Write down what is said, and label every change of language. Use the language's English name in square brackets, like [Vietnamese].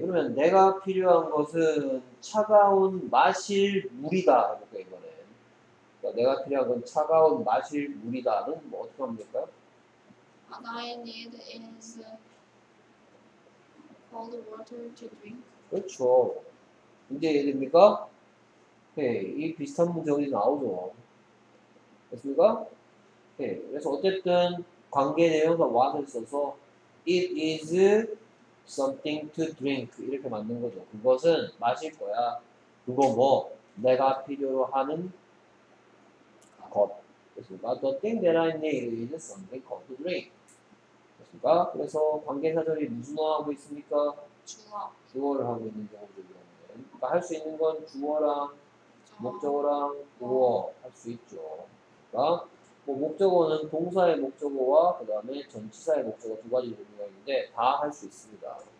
[Korean] 그러면 내가 필요한 것은 차가운 마실 물이다. 내가 필요한 건 차가운 마실 물이다는 뭐 어떻게 하면 될까요? [English] What I need is cold water to drink. [Korean] 그렇죠. 이제 이해됩니까? 오케이. 이 비슷한 문제가 나오죠. 됐습니까? 오케이. 그래서 어쨌든 관계 내용과 what을 써서 [English] it is something to drink [Korean] 이렇게 만든 거죠. 그것은 마실 거야. 그거 뭐 내가 필요로 하는 것. 그렇습니까? [English] The thing that I need is something called to drink. [Korean] 그렇습니까? 그래서 관계사절이 무슨 어 하고 있습니까? 주어를 하고 있는 경우들이 있는데, 그러니까 할 수 있는 건 주어랑 목적어랑 주어 할 수 있죠. 그러니까 뭐 목적어는 동사의 목적어와 그 다음에 전치사의 목적어 두 가지 종류가 있는데 다 할 수 있습니다.